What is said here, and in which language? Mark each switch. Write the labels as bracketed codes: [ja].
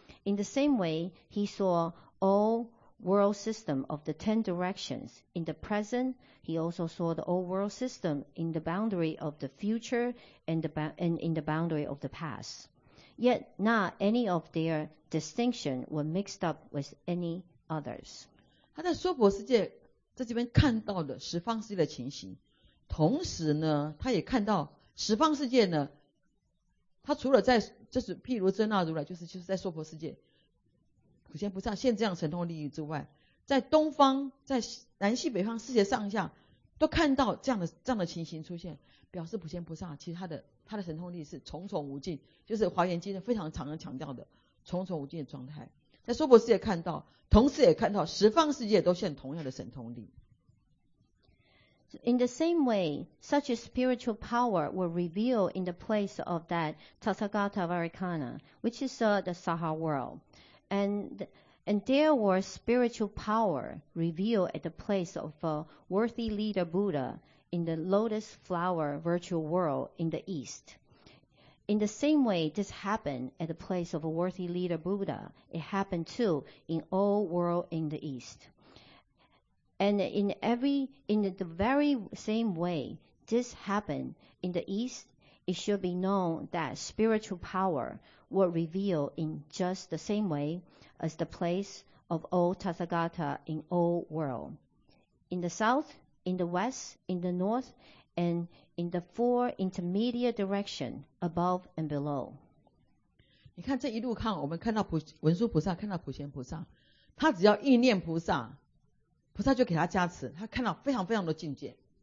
[en] In the same way, he saw all world system of the 10 directions in the present. He also saw the old world system in the boundary of the future and in the boundary of the past. Yet not any of their distinction were mixed up with any others. [zh] 他在娑婆世界在这边看到了十方世界的情形，同时呢，他也看到十方世界呢，他除了在就是譬如真纳如来，就是在娑婆世界普贤菩萨现这样神通利益之外，在东方、在南西北方世界上下，都看到这样的情形出现，表示普贤菩萨其实他的神通力是重重无尽，就是华严经非常常强调的重重无尽的状态。在娑婆世界看到，同时也看到十方世界都现同样的神通力。 [en] In the same way, such a spiritual power will reveal in the place of that Tathagata Varikana, which is the Saha world. And there was spiritual power revealed at the place of a worthy leader Buddha in the lotus flower virtual world in the East. In the same way, this happened at the place of a worthy leader Buddha. It happened too in all world in the East. And in the very same way, this happened in the East. It should be known that spiritual power will reveal in just the same way. As the place of all Tathagata in all world. In the south, in the west, in the north, and in the four intermediate directions above and below. [zh] 你看这一路看，我们看到文殊菩萨，看到普贤菩萨，他只要意念菩萨，菩萨就给他加持，他看到非常非常的境界。